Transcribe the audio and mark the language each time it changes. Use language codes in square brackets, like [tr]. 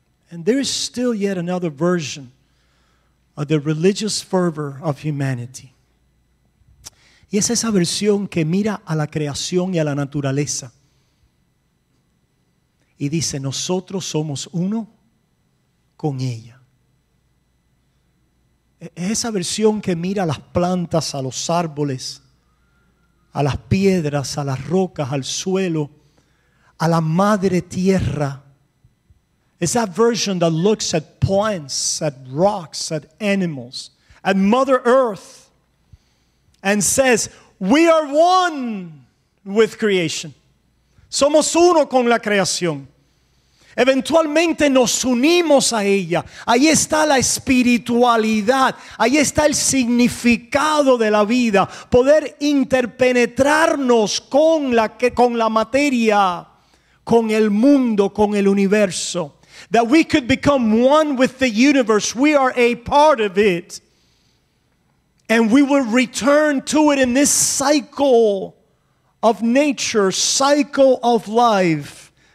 [en] And there is still yet another version of the religious fervor of humanity. [es] Y es esa versión que mira a la creación y a la naturaleza. Y dice, nosotros somos uno con ella. Es esa versión que mira a las plantas, a los árboles, a las piedras, a las rocas, al suelo, a la madre tierra. [en] It's that version that looks at plants, at rocks, at animals, at Mother Earth, and says, we are one with creation. [es] Somos uno con la creación. Eventualmente nos unimos a ella. Ahí está la espiritualidad. Ahí está el significado de la vida. Poder interpenetrarnos con la materia, con el mundo, con el universo. [en] That we could become one with the universe. We are a part of it. And we will return to it in this cycle of nature, cycle of life.